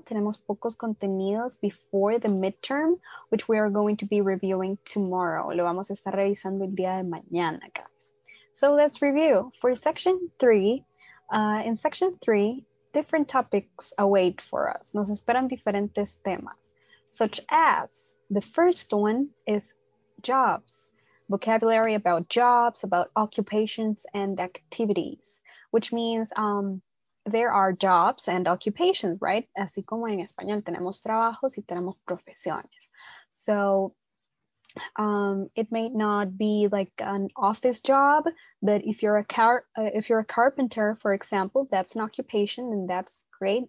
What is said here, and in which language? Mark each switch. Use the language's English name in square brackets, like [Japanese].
[Spanish] Tenemos pocos contenidos [English] before the midterm, which we are going to be reviewing tomorrow. [Spanish] Lo vamos a estar revisando el día de mañana, [English] guys. So let's review. For section 3, in section 3, different topics await for us. [Spanish] Nos esperan diferentes temas, [English] such as the first one is jobs. Vocabulary about jobs, about occupations and activities, which means there are jobs and occupations, right? [Spanish] Así como en español tenemos trabajos y tenemos profesiones. [English] So it may not be like an office job, but if you're a carpenter, for example, that's an occupation and that's great.